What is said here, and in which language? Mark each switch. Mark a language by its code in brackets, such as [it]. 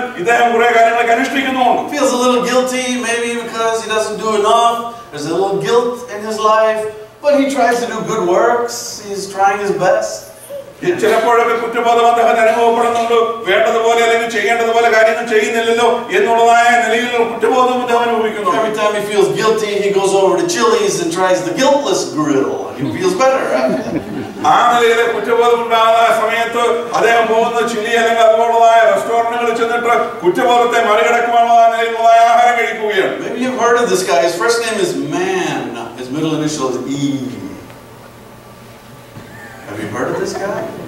[en] Feels a little guilty, maybe because he doesn't do enough. There's a little guilt in his life, but he tries to do good works. He's trying his best. [ml] ചിലപ്പോഴൊക്കെ കുറ്റബോധം അദ്ദേഹം അനുഭവപ്പെടുന്നുണ്ട്. വേണ്ടതുപോലെ അല്ലെങ്കിൽ ചെയ്യേണ്ടതുപോലെ കാര്യങ്ങൾ ചെയ്യുന്നില്ലല്ലോ എന്നുള്ളതായ നിലയിൽ കുറ്റബോധം അദ്ദേഹം അനുഭവിക്കുന്നു. [en] Every time he feels guilty, he goes over to Chili's and tries the guiltless grill. He feels better. [ml] ആ നിലയിൽ കുറ്റബോധം ഉണ്ടാകുന്ന സമയത്ത് അദ്ദേഹം പോകുന്ന ചില്ലി അല്ലെങ്കിൽ അതുപോലുള്ളതായ റെസ്റ്റോറന്റുകളിൽ ചെന്നിട്ട് കുറ്റബോധത്തെ മറികടക്കുവാനുള്ള നിലയിലുള്ള ആഹാരം കഴിക്കുകയാണ്. [en] Maybe you've heard of this guy. His first name is Man. His middle initial is E. Have you heard of this guy?